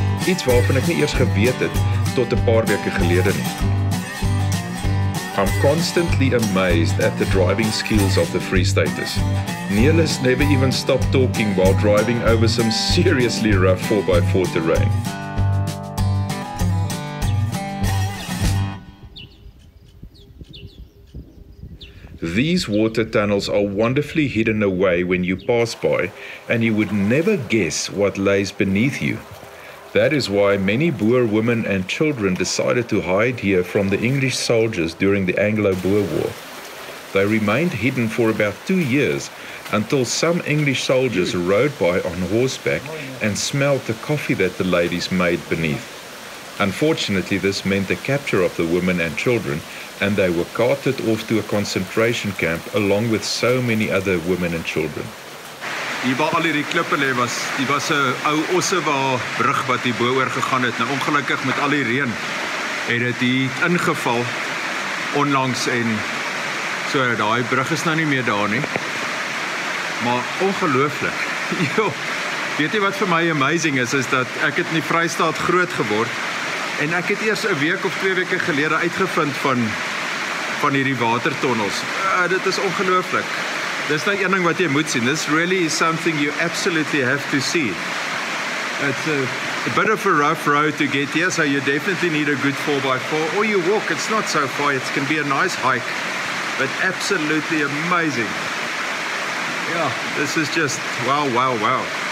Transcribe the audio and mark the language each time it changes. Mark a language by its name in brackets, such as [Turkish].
[Afrikaans] Iets waarvan ek nie eers geweet het tot 'n paar weke gelede nie. [English] I'm constantly amazed at the driving skills of the Free Staters. Niels never even stopped talking while driving over some seriously rough 4x4 terrain. These water tunnels are wonderfully hidden away when you pass by, and you would never guess what lays beneath you. That is why many Boer women and children decided to hide here from the English soldiers during the Anglo-Boer War. They remained hidden for about 2 years until some English soldiers rode by on horseback and smelled the coffee that the ladies made beneath. Unfortunately, this meant the capture of the women and children, and they were carted off to a concentration camp along with so many other women and children. [Afrikaans] Hier waar al hierdie klippe lê was, hier was 'n ou Ossewa brug wat hier boor gegaan het. Nou ongelukkig met al die reën het dit hier ingeval onlangs en so daai brug is nou nie meer daar nie. Maar ongelooflik. Jo, weet jy wat vir my amazing is dat ek het in die Vrystaat groot geword en ek het eers 'n week of 2 weke gelede uitgevind van hierdie watertunnels. Dit is ongelooflik. Dis net een ding wat jy moet sien. [English] This really is something you absolutely have to see. It's a bit of a rough road to get here, so you definitely need a good 4x4. Or you walk, it's not so far, it can be a nice hike. but absolutely amazing. Yeah, this is just wow, wow, wow.